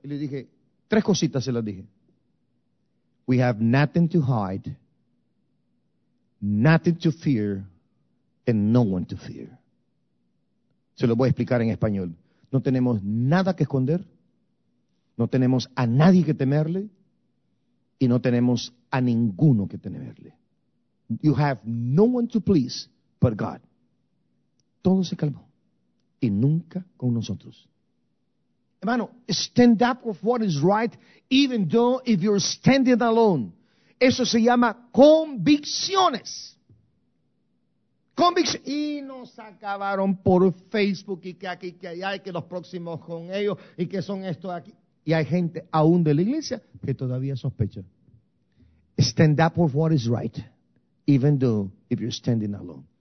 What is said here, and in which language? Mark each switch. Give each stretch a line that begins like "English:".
Spanish: Y le dije, 3 cositas se las dije.
English: We have nothing to hide, nothing to fear, and no one to fear.
Spanish: Se lo voy a explicar en español. No tenemos nada que esconder, no tenemos a nadie que temerle, y no tenemos a ninguno que temerle.
English: You have no one to please but God.
Spanish: Todo se calmó. Y nunca con nosotros. Hermano,
English: stand up with what is right, even though if you're standing alone.
Spanish: Eso se llama convicciones. Convicciones. Y nos acabaron por Facebook y que aquí, que allá, y que los próximos con ellos, y que son estos aquí. Y hay gente aún de la iglesia que todavía sospecha.
English: Stand up with what is right, even though if you're standing alone.